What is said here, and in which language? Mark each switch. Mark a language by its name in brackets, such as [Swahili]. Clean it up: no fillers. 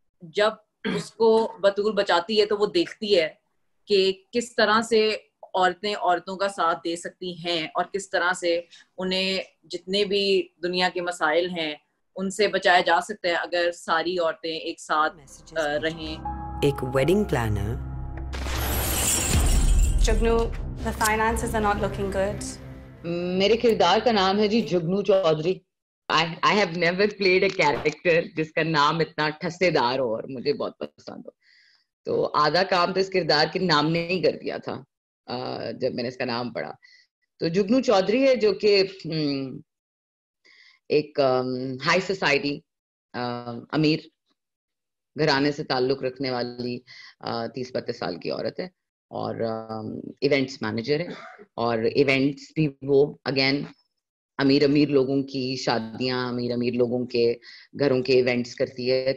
[Urdu] جب اس کو بطور بچاتی ہے تو وہ دیکھتی ہے کہ کس طرح سے عورتیں عورتوں کا ساتھ دے سکتی ہیں, اور کس طرح سے انہیں جتنے بھی دنیا کے مسائل ہیں ان سے بچایا جا سکتا ہے اگر ساری عورتیں ایک ساتھ رہیں. ایک wedding planner, Jugnu, [English] the finances are not looking good. [Urdu] میرے کردار کا نام ہے جی جگنو Chaudhry. [English] I have never played a character [Urdu] جس کا نام اتنا ٹھسے دار ہو اور مجھے بہت پسند ہو. تو آدھا کام تو اس کردار کے نام نے ہی کر دیا تھا جب میں نے اس کا نام پڑھا. تو جگنو چودھری ہے جو کہ ایک ہائی سوسائٹی امیر گھرانے سے تعلق رکھنے والی 30-35 سال کی عورت ہے, اور ایونٹس مینیجر ہے, اور ایونٹس بھی وہ اگین امیر امیر لوگوں کی شادیاں, امیر امیر لوگوں کے گھروں کے ایونٹس کرتی ہے.